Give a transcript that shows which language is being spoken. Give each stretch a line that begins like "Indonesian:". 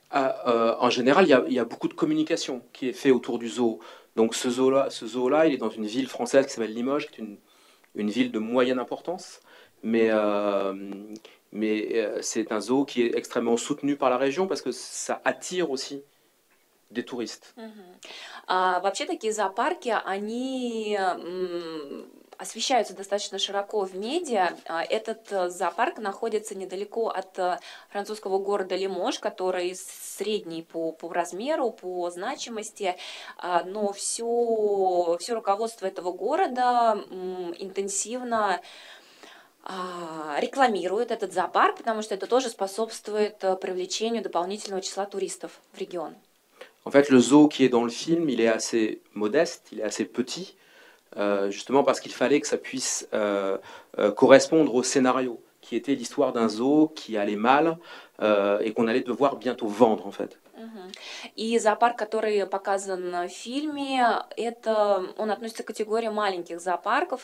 French: En général, il y a beaucoup de communication qui est fait autour du zoo. Donc ce zoo là, il est dans une ville française qui s'appelle Limoges, qui est une ville de moyenne importance. Mais Mais c'est un zoo qui est extrêmement soutenu par la région parce que ça attire aussi des touristes.
Russian: Вообще такие зоопарки, они освещаются достаточно широко в медиа. Этот зоопарк находится недалеко от французского города Лимож, который средний по размеру, по значимости. Но все руководство этого города интенсивно рекламирует этот зоопарк, потому что это тоже способствует привлечению дополнительного числа туристов в регион.
French: En fait, le zoo qui est dans le film, il est assez modeste, il est assez petit, justement parce qu'il fallait que ça puisse correspondre au scénario, qui était l'histoire d'un zoo qui allait mal et qu'on allait devoir bientôt vendre, en fait.
Russian: И зоопарк, который показан в фильме, это он относится к категории маленьких зоопарков.